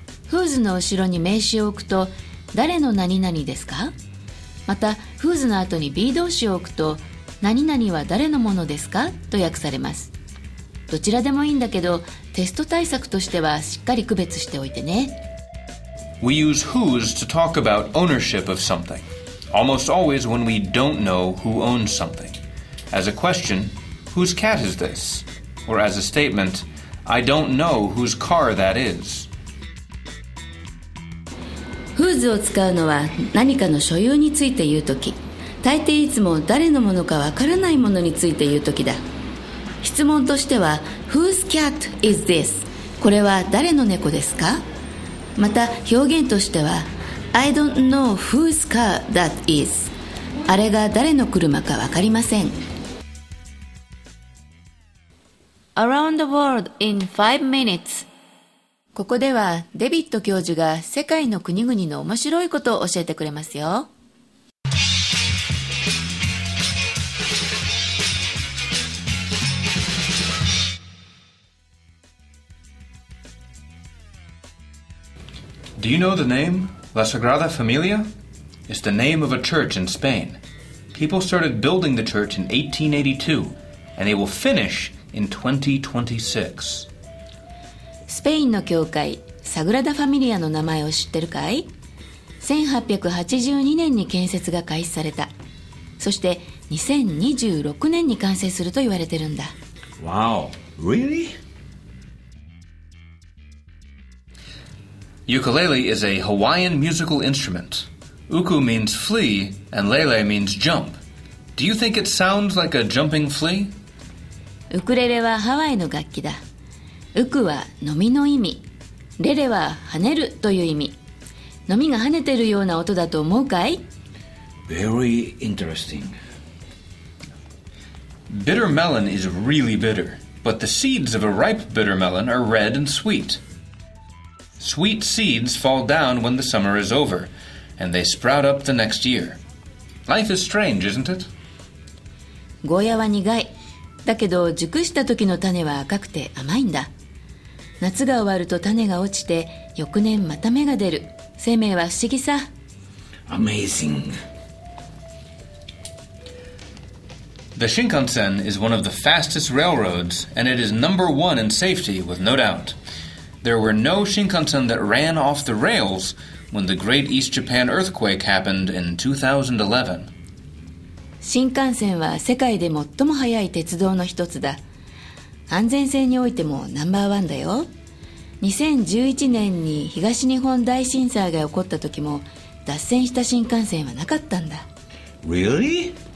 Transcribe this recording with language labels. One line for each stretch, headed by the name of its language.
Japanese: Whose の後ろに名詞を置くと誰の何々ですか? また Whose の後に B 動詞を置くと何々は誰のものですか?と訳されます。どちらでもいいんだけど、テスト対策としてはしっかり区別しておいてね。
English: We use whose to talk about ownership of something, almost always when we don't know who owns something. As a question, whose cat is this? Or as a statement, I don't know whose car that is.
Japanese: Whose を使うのは何かの所有について言うとき、大抵いつも誰のものかわからないものについて言うときだ。質問としては、
English: whose cat is this?
Japanese: これは誰の猫ですか? また表現としては
English: I don't know whose car that is.
Japanese: あれが誰の車か分かりません。
English: Around the world in 5 minutes.
Japanese: ここではデビッド教授が世界の国々の面白いことを教えてくれますよ。
English: Do you know the name La Sagrada Familia? It's the name of a church in Spain. People started building the church in 1882, and they will finish in 2026.
Japanese: スペインの教会、サグラダ・ファミリアの名前を知ってるかい ?1882 年に建設が開始された。そして2026年に完成すると言われてるんだ。
English: Wow, really? Ukulele is a Hawaiian musical instrument. Uku means flea and lele means jump. Do you think it sounds like a jumping flea?
Japanese: ウクレレはハワイの楽器だ。ウクは飲みの意味。レレは跳ねるという意味。飲みが跳ねてるような音だと思うかい?
English: Very interesting. Bitter melon is really bitter, but the seeds of a ripe bitter melon are red and sweet. Sweet seeds fall down when the summer is over, and they sprout up the next year. Life is strange, isn't it?
Japanese: ゴーヤは苦い。だけど熟した時の種は赤くて甘いんだ。夏が終わると種が落ちて、翌年また芽が出る。生命は不思議さ。
English: Amazing. The Shinkansen is one of the fastest railroads, and it is number one in safety, with no doubt. There were no Shinkansen that ran off the rails when the Great East Japan Earthquake happened in 2011.
Japanese: 新幹線は世界で最も速い鉄道の一つだ。安全性においてもナンバーワンだよ。2011年に東日本大震災が起こった時も脱線した新幹線はなかったんだ。
English: Really?